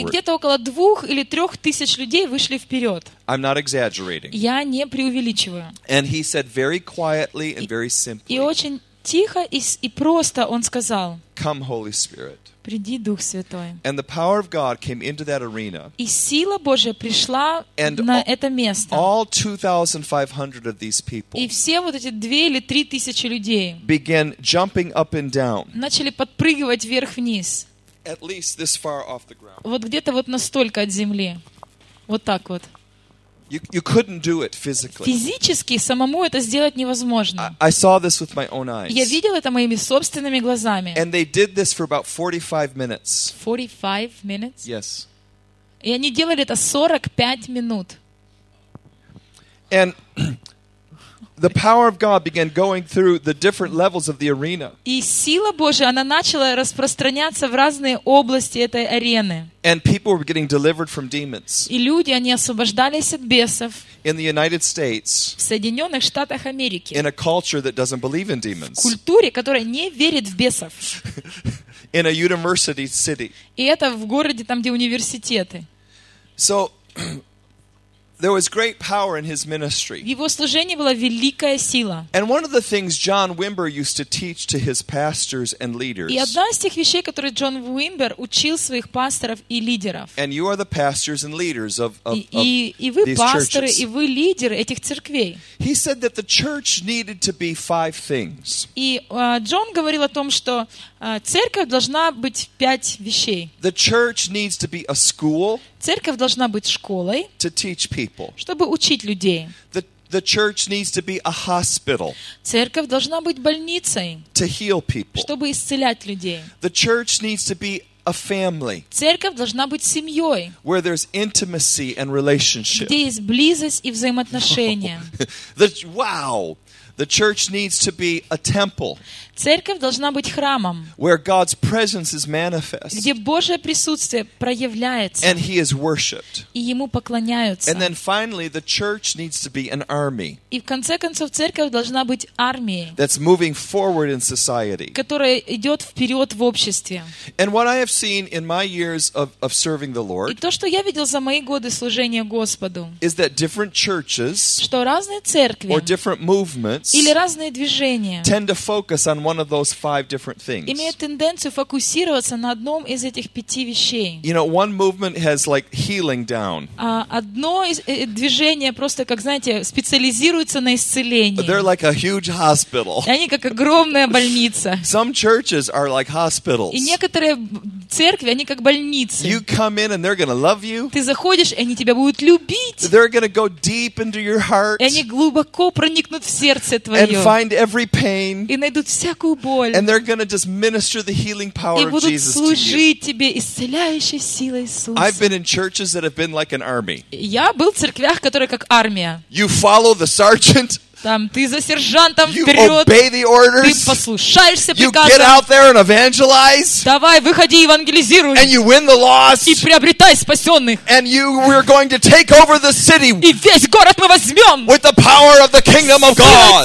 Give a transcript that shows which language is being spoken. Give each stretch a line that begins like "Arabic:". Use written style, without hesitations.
Russian: И где-то около 2,000
English: or
Russian: 3,000 людей вышли вперед.
English: I'm not exaggerating.
Russian: Я не преувеличиваю.
English: And he said very quietly and very simply.
Russian: И очень тихо и просто он сказал.
English: Come, Holy Spirit.
Russian: Приди, Дух Святой.
English: And the power of God came into that arena.
Russian: И сила Божья пришла на это место.
English: All 2,500 of these people.
Russian: И все вот эти 2,000
English: or
Russian: 3,000 людей.
English: Began jumping up and down.
Russian: Начали подпрыгивать вверх вниз.
English: At least this far off the ground.
Russian: Вот где-то вот настолько от земли. Вот так вот.
English: You couldn't do it physically.
Russian: Физически самому это сделать невозможно.
English: I saw this with my own eyes.
Russian: Я видел это моими собственными глазами.
English: And they did this for about 45 minutes. 45 minutes? Yes.
Russian: И они делали это 45 минут.
English: And the power of God began going through the different levels of the arena.
Russian: И сила Божья, она начала распространяться в разные области этой арены.
English: And people were getting delivered from demons.
Russian: И люди, они освобождались от бесов.
English: In the United States.
Russian: В Соединенных Штатах Америки.
English: In a culture that doesn't believe in demons.
Russian: В культуре, которая не верит в бесов.
English: In a university city.
Russian: И это в городе, там где университеты. So
English: There was great power in his ministry.
Russian: Его служение была великая сила.
English: And one of the things John Wimber used to teach to his pastors and leaders.
Russian: И одна из тех вещей, которые Джон Уимбер учил своих пасторов и лидеров.
English: And you are the pastors and leaders of these churches.
Russian: И вы пасторы и вы лидеры этих церквей.
English: He said that the church needed to be five things.
Russian: И Джон говорил о том, что церковь должна быть пять вещей.
English: The church needs to be a school.
Russian: Церковь должна быть школой,
English: to teach people.
Russian: Чтобы учить людей.
English: The church needs to be a hospital.
Russian: Церковь должна быть больницей,
English: to heal people.
Russian: Чтобы исцелять людей.
English: The church needs to be a family.
Russian: Церковь должна быть семьей,
English: where there's intimacy and relationship.
Russian: Где есть близость и взаимоотношения.
English: Wow! The church needs to be a temple.
Russian: Церковь должна быть храмом.
English: Where God's presence is manifest.
Russian: Где Божье присутствие проявляется.
English: And he is worshipped.
Russian: И ему поклоняются.
English: And then finally, the church needs to be an army.
Russian: И в конце концов церковь должна быть армией.
English: That's moving forward in society.
Russian: Которая идет вперед в обществе.
English: And what I have seen in my years of serving the Lord.
Russian: И то, что я видел за мои годы служения Господу.
English: Is that different churches.
Russian: Что разные церкви.
English: Or different movements.
Russian: Или разные движения.
English: Tend to focus on one of those five different things.
Russian: Имеет тенденцию фокусироваться на одном из этих пяти вещей.
English: You know, one movement has like healing down.
Russian: Одно из движений просто, как знаете, специализируется на исцелении.
English: They're like a huge hospital.
Russian: Они как огромная больница.
English: Some churches are like hospitals.
Russian: И некоторые церкви, они как больницы.
English: You come in and they're going to love you.
Russian: Ты заходишь, и они тебя будут любить.
English: They're going to go deep into your heart.
Russian: И они глубоко проникнут в сердце твое.
English: And find every pain.
Russian: И найдут всякую боль.
English: And they're going to just minister the healing power of Jesus to you.
Russian: И будут служить тебе исцеляющей силой Иисуса.
English: I've been in churches that have been like an army.
Russian: Я был в церквях, которые как армия.
English: You follow the sergeant.
Russian: Там ты за сержантом вперед.
English: You obey the orders.
Russian: Ты послушаешься приказам.
English: You get out there and evangelize.
Russian: Давай, выходи, евангелизируй.
English: And you win the lost.
Russian: И приобретай спасенных.
English: And you, we're going to take over the city.
Russian: И весь город мы возьмем.
English: With the power of the kingdom of God.